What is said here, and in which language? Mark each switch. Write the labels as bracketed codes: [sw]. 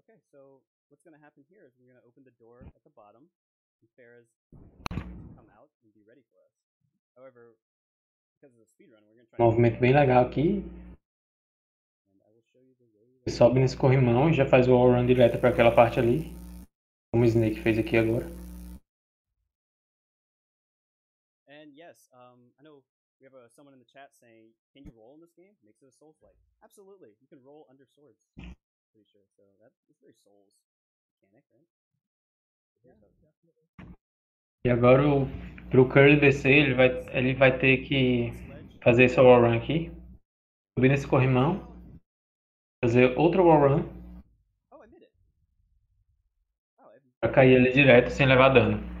[en] So what's going to happen here is we're going to open the door at the bottom, and Farrah's come out and be ready for us. However, because of the speed run, we're going to try to [pt] movimento bem legal aqui. [en] And I will show you the way [pt] Ele sobe nesse corrimão e já faz o wallrun direto para aquela parte ali, como o Snake fez aqui agora. [en] And yes, I know we have someone in the chat saying, can you roll in this game? Makes it a soul fight. Absolutely, you can roll under swords. Pretty sure. So that's very Souls mechanic, right? [pt] E agora pro Curly descer, ele vai ter que fazer esse wallrun aqui. Subir nesse corrimão. Fazer outro wallrun. [en] Oh, I made it. Oh, I [pt] pra cair ali direto sem levar dano.